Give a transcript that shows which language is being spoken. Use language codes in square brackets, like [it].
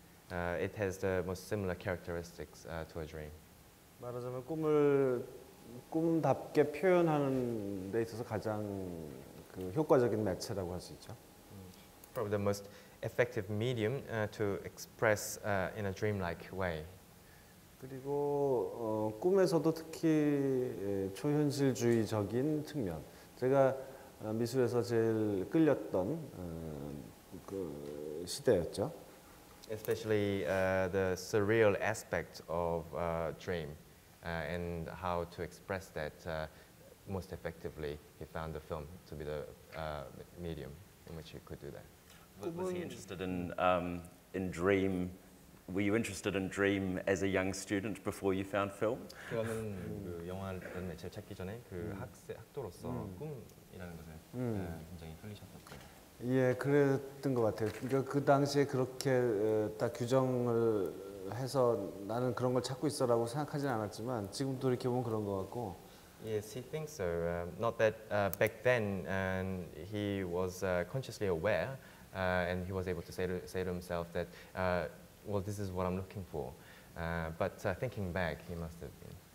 [en] It has the most similar characteristics to a dream. [ko] 말하자면 꿈을 꿈답게 표현하는 데 있어서 가장 그 효과적인 매체라고 할 수 있죠. [en] Probably the most effective medium to express in a dreamlike way. [ko] 그리고 꿈에서도 특히 초현실주의적인 측면. 제가 미술에서 제일 끌렸던 그 시대였죠. [en] Especially the surreal aspect of dream and how to express that most effectively, he found the film to be the medium in which he could do that. Was he interested in dream? Were you interested in dream as a young student before you found film? [ko] 저는 그 영화를 제가 찾기 전에 그 학도로서 꿈이라는 것을 굉장히 끌리셨던 거예요. 예, 그랬던 것 같아요. 그러니까 그 당시에 그렇게 딱 규정을 해서 나는 그런 걸 찾고 있어라고 생각하진 않았지만 지금도 이렇게 보면 그런 것 같고. [en] Yes, he thinks so. Not that back then and he was consciously aware and he was able to say to himself that well, this is what I'm looking for. But thinking back, he must have been.